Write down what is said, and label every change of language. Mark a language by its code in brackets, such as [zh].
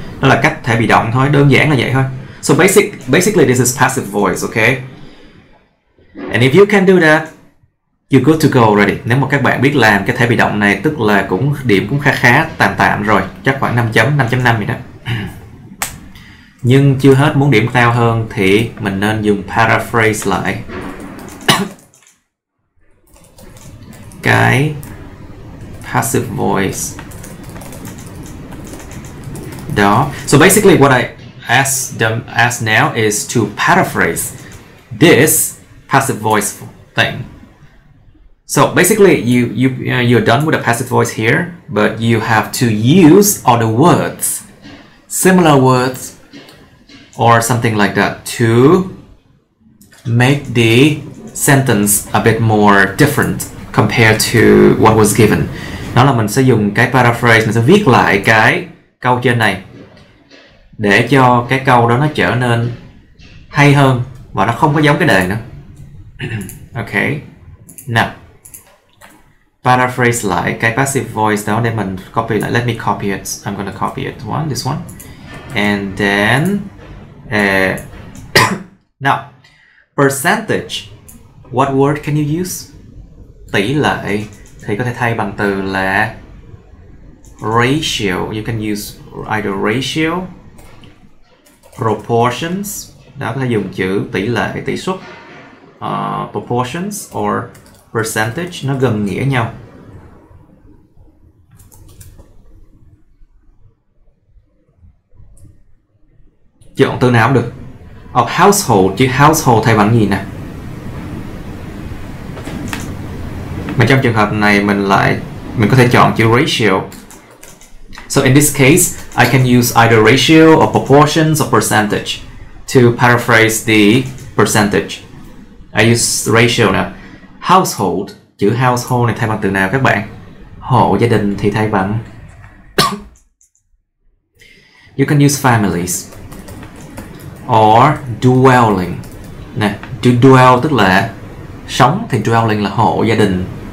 [vi] Đó là cách thể bị động thôi, đơn giản là vậy thôi. [en] So basically this is passive voice, okay? And if you can do that, you're good to go already. [vi] Nếu mà các bạn biết làm cái thể bị động này, tức là cũng điểm cũng khá khá tạm tạm rồi, chắc khoảng 5.5 vậy đó. Nhưng chưa hết, muốn điểm cao hơn thì mình nên dùng paraphrase lại cái passive voice đó. [en] So basically what I ask now is to paraphrase this passive voice thing. So basically you're done with the passive voice here, but you have to use other words, similar words or something like that, to make the sentence a bit more different compared to what was given. [vi] Đó là mình sẽ dùng cái paraphrase, mình sẽ viết lại cái câu trên này để cho cái câu đó nó trở nên hay hơn và nó không có giống cái đề nữa. Okay, now paraphrase lại cái passive voice đó để mình copy lại. [en] Let me copy it. I'm gonna copy it. One, this one. And then now percentage, what word can you use? [vi] Tỷ lệ thì có thể thay bằng từ là ratio. [en] You can use either ratio, proportions, [vi] đó, có thể dùng chữ tỷ lệ, tỷ suất, [en] proportions or percentage, [vi] nó gần nghĩa nhau. Chọn từ nào cũng được. [en] Of household, [vi] chứ household thay bằng gì nè? Mà trong trường hợp này mình có thể chọn chữ ratio. [en] So in this case, I can use either ratio or proportions or percentage to paraphrase the percentage. I use ratio now. [vi] Household, chữ household này thay bằng từ nào các bạn? Hộ gia đình thì thay bằng [en] you can use families or dwelling. [vi] Nè, chữ dwell tức là sống, thì dwelling là hộ gia đình.